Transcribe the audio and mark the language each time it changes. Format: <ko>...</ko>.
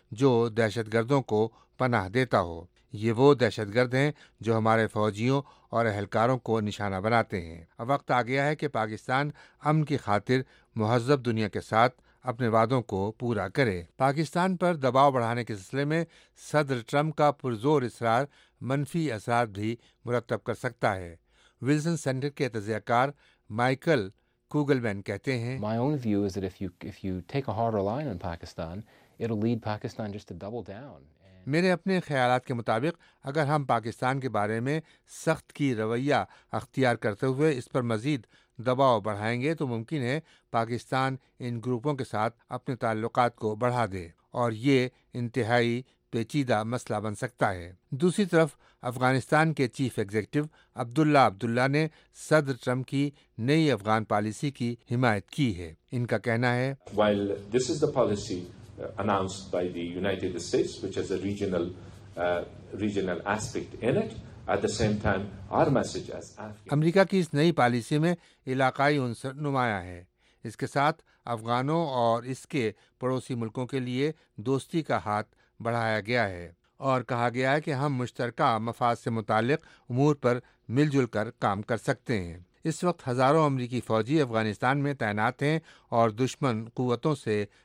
<ur>جو دہشت گردوں کو پناہ دیتا ہو، یہ وہ دہشت گرد ہیں جو ہمارے فوجیوں اور اہلکاروں کو نشانہ بناتے ہیں۔ اب وقت آ گیا ہے کہ پاکستان امن کی خاطر مہذب دنیا کے ساتھ اپنے وعدوں کو پورا کرے۔ پاکستان پر دباؤ بڑھانے کے سلسلے میں صدر ٹرمپ کا پرزور اصرار منفی اثرات بھی مرتب کر سکتا ہے۔ ولسن سینٹر کے تجزیہ کار مائیکل کوگلمین کہتے ہیں،</ur> <en>My own view is that if you take a harder line on Pakistan, it'll lead Pakistan just to double down.</en> <ur>میرے اپنے خیالات کے مطابق اگر ہم پاکستان کے بارے میں سخت کی رویہ اختیار کرتے ہوئے اس پر مزید دباؤ بڑھائیں گے تو ممکن ہے پاکستان ان گروپوں کے ساتھ اپنے تعلقات کو بڑھا دے، اور یہ انتہائی پیچیدہ مسئلہ بن سکتا ہے۔ دوسری طرف افغانستان کے چیف ایگزیکٹو عبداللہ عبداللہ نے صدر ٹرمپ کی نئی افغان پالیسی کی حمایت کی ہے۔ ان کا کہنا ہے،</ur> <en>While this is the policy announced by the United States, which has a regional aspect in it, at the same time, our message as Afghan...</en> <ur>امریکہ کی اس نئی پالیسی میں علاقائی عنصر نمایاں ہے، اس کے ساتھ افغانوں اور اس کے پڑوسی ملکوں کے لیے دوستی کا ہاتھ بڑھایا گیا ہے، اور کہا گیا ہے کہ ہم مشترکہ مفاد سے متعلق امور پر مل جل کر کام کر سکتے ہیں۔ اس وقت ہزاروں امریکی فوجی افغانستان میں تعینات ہیں اور دشمن قوتوں سے</ur>